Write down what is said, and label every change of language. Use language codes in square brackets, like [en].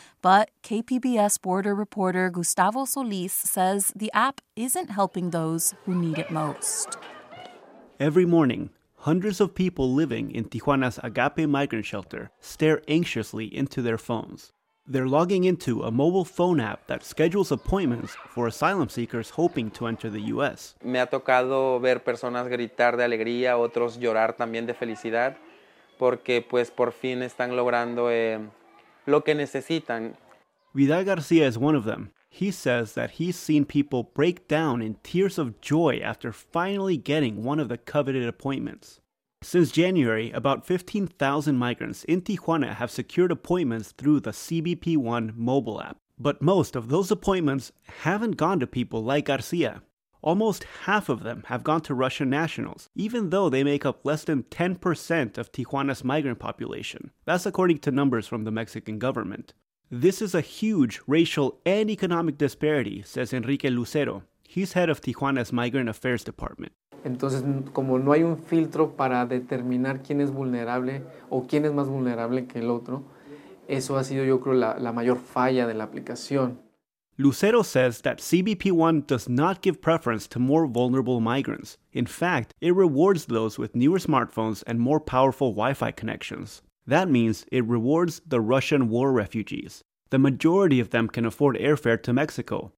[en] But KPBS border reporter Gustavo Solis says the app isn't helping those who need it most. Every morning, hundreds of people living in Tijuana's Agape Migrant Shelter stare anxiously into their phones. They're logging into a mobile phone app that schedules appointments for asylum seekers hoping to enter the U.S. [es] Me ha tocado ver personas gritar de alegría, otros llorar también de felicidad, porque pues por fin están logrando lo que necesitan. [en] Vidal García is one of them. He says that he's seen people break down in tears of joy after finally getting one of the coveted appointments. Since January, about 15,000 migrants in Tijuana have secured appointments through the CBP-1 mobile app. But most of those appointments haven't gone to people like Garcia. Almost half of them have gone to Russian nationals, even though they make up less than 10% of Tijuana's migrant population. That's according to numbers from the Mexican government. This is a huge racial and economic disparity, says Enrique Lucero. He's head of Tijuana's Migrant Affairs Department. [es] Entonces, como no hay un filtro para determinar quién es vulnerable o quién es más vulnerable que el otro, eso ha sido, yo creo, la mayor falla de la aplicación. [en] Lucero says that CBP-1 does not give preference to more vulnerable migrants. In fact, it rewards those with newer smartphones and more powerful Wi-Fi connections. That means it rewards the Russian war refugees. The majority of them can afford airfare to Mexico.